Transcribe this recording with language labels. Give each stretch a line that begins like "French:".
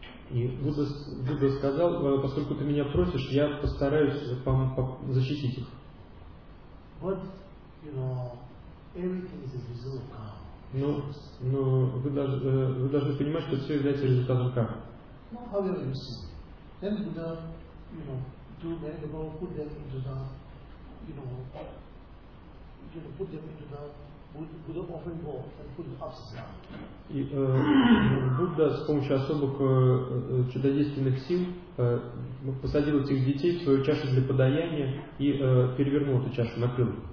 Russian: И Будда сказал: «Поскольку ты меня просишь, я постараюсь вам защитить их».
English: You know, everything is a result of karma.
Russian: Но вы должны понимать, что все является результатом кармы.
English: How do you see? Then Buddha, you know, do meditable, put them into the, you know, put them into the Buddha offering bowl and put it upside down.
Russian: И Будда с помощью особых чудодейственных сил посадил этих детей в свою чашу для подаяния и перевернул эту чашу, накрыл.